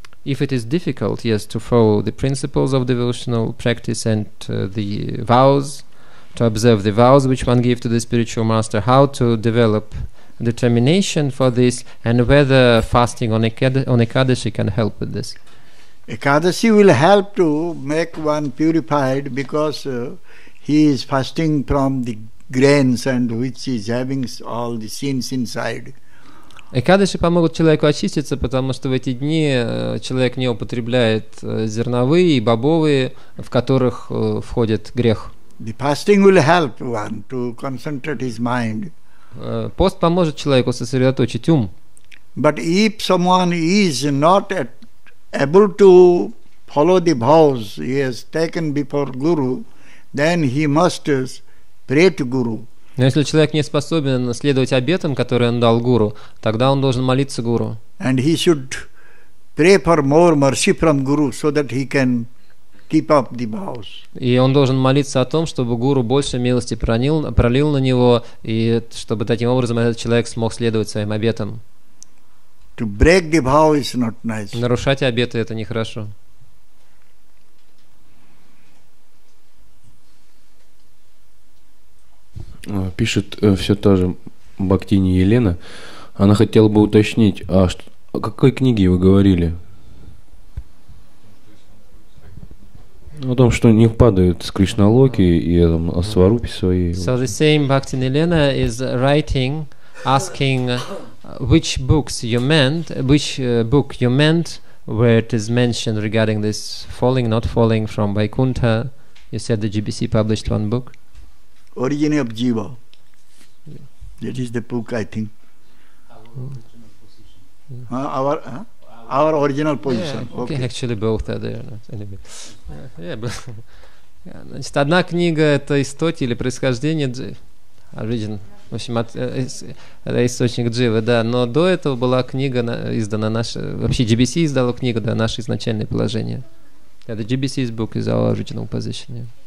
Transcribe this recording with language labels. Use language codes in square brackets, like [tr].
[en] If it is difficult, yes, to follow the principles of devotional practice and the vows, to observe the vows which one gave to the spiritual master, how to develop determination for this, and whether fasting on Ekadashi can help with this. Ekadashi will help to make one purified because he is fasting from the grains and which is having all the sins inside. [ru] Экадыши помогут человеку очиститься, потому что в эти дни человек не употребляет зерновые и бобовые, в которых входит грех. [en] The fasting will help one to concentrate his mind. [ru] Пост поможет человеку сосредоточить ум. [en] But if someone is not able to follow the vows he has taken before Guru, then he must pray to Guru. [ru] Но если человек не способен следовать обетам, которые он дал Гуру, тогда он должен молиться Гуру. [en] And he should pray for more mercy from Guru so that he can keep up the vows. [ru] И он должен молиться о том, чтобы Гуру больше милости пролил на него, и чтобы таким образом этот человек смог следовать своим обетам. [en] To break the vow is not nice. [ru] Нарушать обеты — это нехорошо. Пишет все та же Бхактини Елена. Она хотела бы уточнить, о какой книге вы говорили? О том, что не впадают с Кришналоки и там, о сварупе своей. [en] So the same Bhaktini Elena is writing, asking which books you meant, which book you meant, where it is mentioned regarding this falling, not falling from Vaikuntha. You said the GBC published one book. Origin of Jiva. That is the book, I think. Our original position. Yeah, okay. Okay, actually both are there. Anyway. [ru] Значит, одна книга — это истоки или происхождение Джива. [en] Origin. [ru] В общем, это источник Джива, да. Но до этого была книга издана наша... Вообще, GBC издала книгу, да, наше изначальное положение. [en] Yeah, the GBC's book is our original position.